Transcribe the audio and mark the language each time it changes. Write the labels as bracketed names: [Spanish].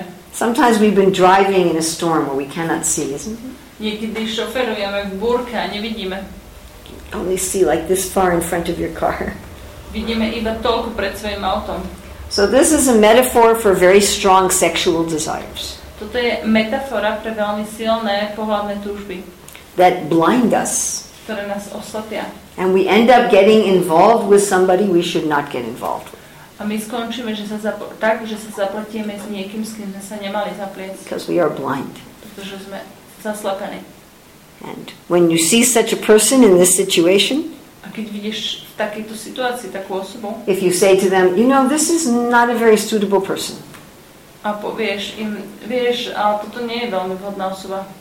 [English] Sometimes we've been driving in a storm where we cannot see, isn't it? [Slovak] Niekedy šoferujeme v búrke a nevidíme. [English] Only see like this far in front of your car. [Slovak] Vidíme iba toľko pred svojim autom. [English] So this is a metaphor for very strong sexual desires. [Slovak] Toto je metafora pre veľmi silné pohlavné túžby. [English] That blind us. [Slovak] Ktoré nás oslepia. [English] And we end up getting involved with somebody we should not get involved with. [Slovak] A my skončíme, že sa tak, že sa zapletieme s niekým, s kým sme sa nemali zaplieť. [English] Because we are blind. [Slovak] Pretože sme zaslepení. [English] And when you see such a person in this situation, [Slovak] a keď vidíš v takejto situácii takú osobu, [English] if you say to them, you know, this is not a very suitable person, [Slovak] a povieš im, vieš, ale toto nie je veľmi vhodná osoba,